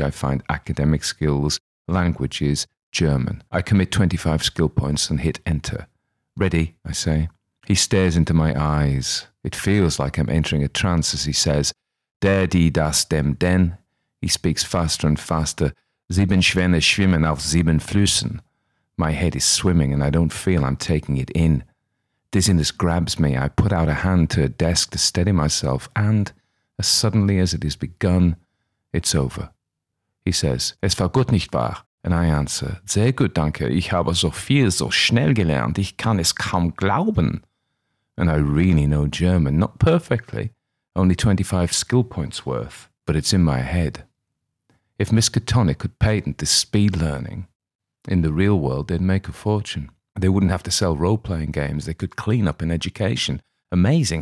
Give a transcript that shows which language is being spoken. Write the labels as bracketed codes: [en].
[en] I find academic skills, languages, German. I commit 25 skill points and hit enter. "Ready?" I say. He stares into my eyes. It feels like I'm entering a trance as he says, [de] "Der, die, das, dem, den." [en] He speaks faster and faster. [de] "Sieben Schwäne schwimmen auf sieben Flüssen." [en] My head is swimming and I don't feel I'm taking it in. Dizziness grabs me. I put out a hand to a desk to steady myself and, as suddenly as it has begun, it's over. He says, [de] "Es war gut, nicht wahr?" [en] And I answer, [de] "Sehr gut, danke. Ich habe so viel so schnell gelernt. Ich kann es kaum glauben." [en] And I really know German, not perfectly, only 25 skill points worth, but it's in my head. If Miskatonic could patent this speed learning, in the real world, they'd make a fortune. They wouldn't have to sell role-playing games. They could clean up in education. Amazing.